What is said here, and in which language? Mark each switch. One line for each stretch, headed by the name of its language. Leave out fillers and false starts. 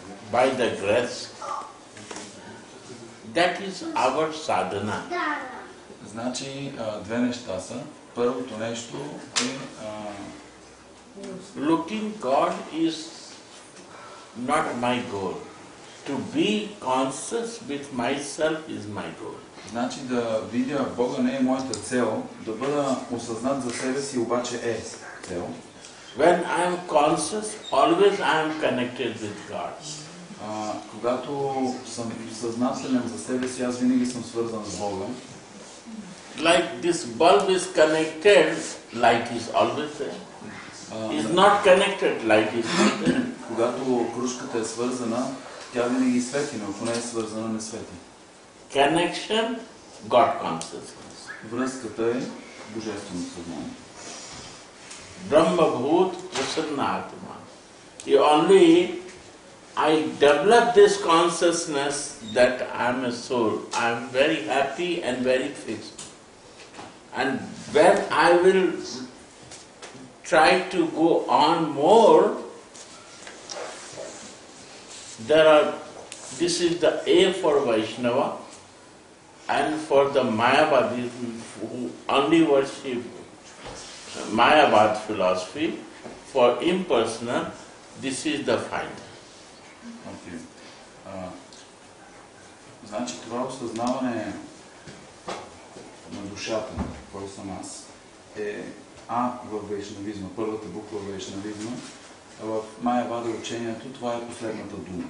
English: By the grace, that is our sadhana.
Bulgarian: Значи две неща са. Първото нещо е...
English: Looking God is not my goal. To be conscious with myself is my goal.
Bulgarian: Значи да видя Бога не е моята цел, да бъда осъзнат за себе си обаче е цел.
English: When I am conscious, always I am connected with God.
Bulgarian: Когато съм съзнателен за себе си, аз винаги съм свързан с Бога.
English: Like this bulb is connected, light is always there. Is not connected, light is not there.
Bulgarian: Когато кружката е свързана, тя винаги свети, но ако не е свързана, не свети.
English: Connection, God consciousness.
Bulgarian: Връзката е Божествено съзнание.
Sanskrit: Brahma Bhut Prasanna Atma.
English: Only I develop this consciousness that I am a soul. I am very happy and very fixed. And when I will try to go on more, this is the A for Vaishnava and for the Mayavadi who only worship Mayavad philosophy, for impersonal, this is the final. Okay.
Bulgarian: Значи това осъзнаване на душата, кой съм аз, е А в вайшнавизма, първата буква в вайшнавизма. В Майя-Вада учението това е последната дума.